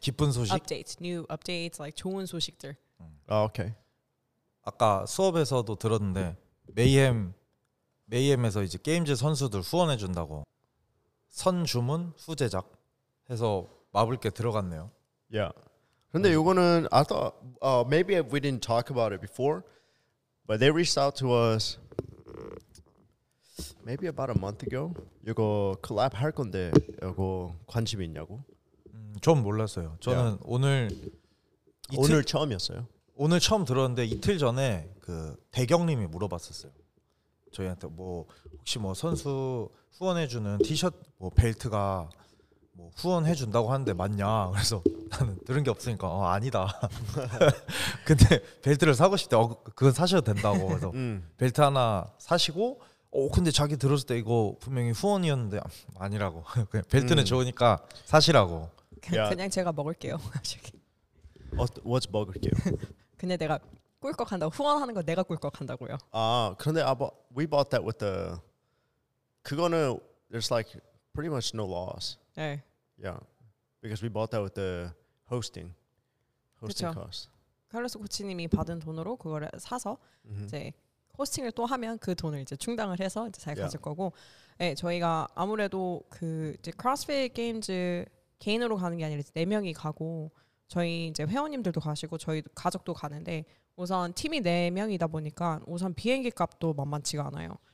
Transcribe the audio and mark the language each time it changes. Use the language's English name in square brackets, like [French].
[Korean] 기쁜 소식. [English] Updates, new updates, like [Korean] 좋은 소식들. [English] Okay. [Korean] 아까 수업에서도 들었는데 메이엠에서 이제 게임즈 선수들 후원해 준다고 선 주문 후 제작 해서 마블께 들어갔네요. [English] Yeah. [Korean] 근데 요거는 [English] I thought maybe we didn't talk about it before, but they reached out to us maybe about a month ago. [Korean] 요거 collab 할 건데 요거 관심 있냐고? 전 몰랐어요. 저는 yeah. 오늘 오늘 처음이었어요. 오늘 처음 들었는데 이틀 전에 그 대경님이 물어봤었어요. 저희한테 뭐 혹시 뭐 선수 후원해주는 티셔츠 뭐 벨트가 뭐 후원해준다고 하는데 맞냐? 그래서 나는 들은 게 없으니까 아니다. 근데 벨트를 사고 싶대. 그건 사셔도 된다고. 그래서 벨트 하나 사시고 근데 자기 들었을 때 이거 분명히 후원이었는데 아니라고. 그냥 벨트는 좋으니까 사시라고. 그냥 제가 먹을게요. [English] What's [Korean] 먹을게요? 근데 내가 꿀꺽한다고 후원하는 거 내가 꿀꺽한다고요. 아 그런데 [English] we bought that with the [Korean] 그거는 [English] there's like pretty much no loss. [Korean] 네. [English] Yeah, because we bought that with the hosting [Korean] 그쵸. [English] cost. [Korean] 칼로스 코치님이 받은 돈으로 그거를 사서 이제 호스팅을 또 하면 그 돈을 이제 충당을 해서 이제 잘 가질 거고. 네, 저희가 아무래도 그 이제 크로스핏 게임즈 개인으로 가는 게 아니라 네 명이 가고. 저희 이제 회원님들도 가시고 저희 가족도 가는데 우선 팀이 네 명이다 보니까 우선 비행기 값도 만만치가 않아요.